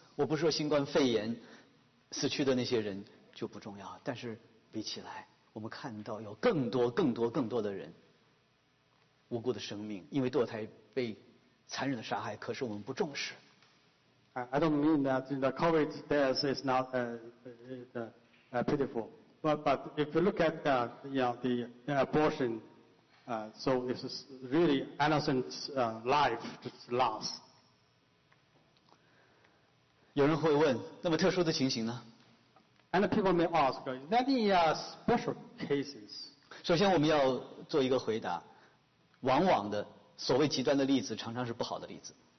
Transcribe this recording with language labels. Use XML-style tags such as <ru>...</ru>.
<zh>我不是说新冠肺炎死去的那些人就不重要，但是比起来，我们看到有更多、更多、更多的人无辜的生命因为堕胎被残忍的杀害，可是我们不重视。</zh> <en>I don't mean that the COVID death is not pitiful. But if you look at the abortion, this is really innocent life just lost.</en> <zh>有人会问，那么特殊的情形呢</zh> <en>？And people may ask, are there any special cases?</en> <zh>首先，我们要做一个回答。往往的所谓极端的例子，常常是不好的例子。</zh>